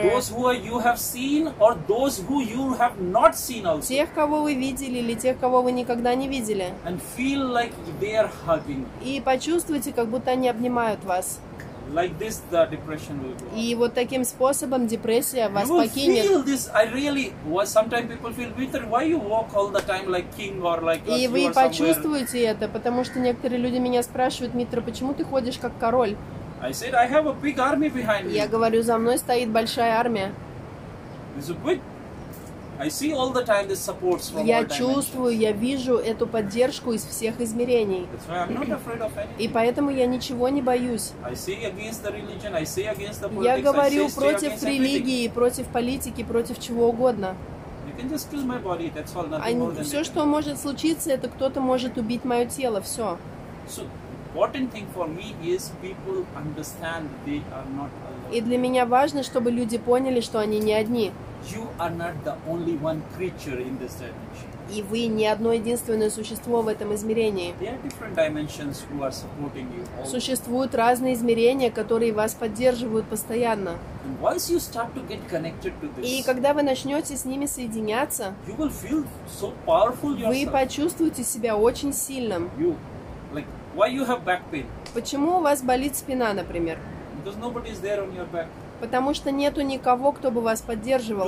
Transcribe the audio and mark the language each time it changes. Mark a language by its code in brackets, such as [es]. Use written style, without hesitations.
[en] Those who you have seen or those who you have not seen also. [ru] Тех, кого вы видели или тех, кого вы никогда не видели. [en] And feel like they are hugging. [ru] И почувствуйте, как будто они обнимают вас. [en] Like this the depression will go. [ru] И вот таким способом депрессия вас [en] you will [ru] покинет. [en] You feel this. I really was. Sometimes people feel bitter. Why you walk all the time like king or like? [ru] И вы почувствуете [en] somewhere. [ru] Это, потому что некоторые люди меня спрашивают, Митра, почему ты ходишь как король? [en] I said I have a big army behind me. [ru] Я говорю, за мной стоит большая армия. [en] It's a big. I see all the time this support from all dimensions. [ru] Я чувствую, я вижу эту поддержку из всех измерений. [en] That's why I'm not afraid of anything. [ru] И поэтому я ничего не боюсь. [en] I see against the religion. I see against the politics. [ru] Я говорю против религии, против политики, против чего угодно. [en] You can just kill my body. That's all. Nothing more than that. [ru] Все, что может случиться, это кто-то может убить мое тело. Все. [en] Important thing for me is people understand they are not alone. [ru] И для меня важно, чтобы люди поняли, что они не одни. [en] You are not the only one creature in this dimension. [ru] И вы не одно единственное существо в этом измерении. [en] There are different dimensions who are supporting you. [ru] Существуют разные измерения, которые вас поддерживают постоянно. [en] And once you start to get connected to this, [ru] и когда вы начнете с ними соединяться, [en] you will feel so powerful yourself. [ru] Вы почувствуете себя очень сильным. [en] You, like. Why you have back pain? [ru] Почему у вас болит спина, например? [en] Because nobody is there on your back. [ru] Потому что нету никого, кто бы вас поддерживал.